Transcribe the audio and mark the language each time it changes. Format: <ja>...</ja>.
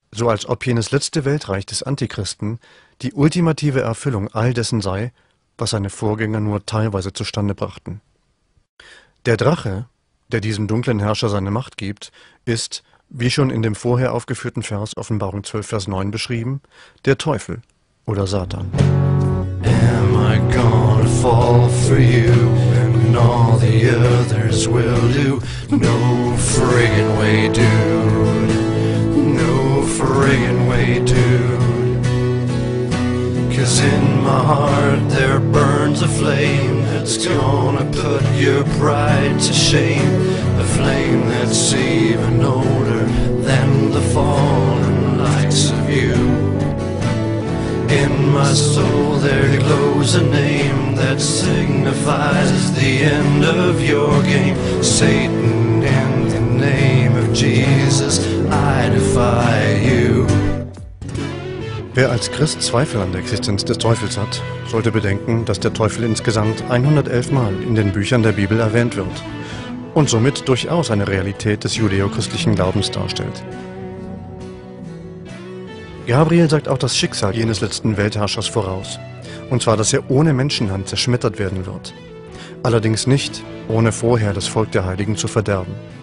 <de>So als ob jenes letzte Weltreich des Antichristen die ultimative Erfüllung all dessen sei, was seine Vorgänger nur teilweise zustande brachten. Der Drache, der diesem dunklen Herrscher seine Macht gibt, ist, wie schon in dem vorher aufgeführten Vers Offenbarung 12, Vers 9 beschrieben, der Teufel oder Satan.</de> <en>Am I gonna fall for you and all the others will do? No friggin' way, dude. No friggin' way, dude. Cause in my heart there burns a flame that's gonna put your pride to shame. A flame that's even older than the fallen likes of you. In my soul there glows a name that signifies the end of your game. Satan, in the name of Jesus, I defy you.</en> <de>Wer als Christ Zweifel an der Existenz des Teufels hat, sollte bedenken, dass der Teufel insgesamt 111 Mal in den Büchern der Bibel erwähnt wird und somit durchaus eine Realität des judeo-christlichen Glaubens darstellt. Gabriel sagt auch das Schicksal jenes letzten Weltherrschers voraus, und zwar, dass er ohne Menschenhand zerschmettert werden wird, allerdings nicht, ohne vorher das Volk der Heiligen zu verderben.</de>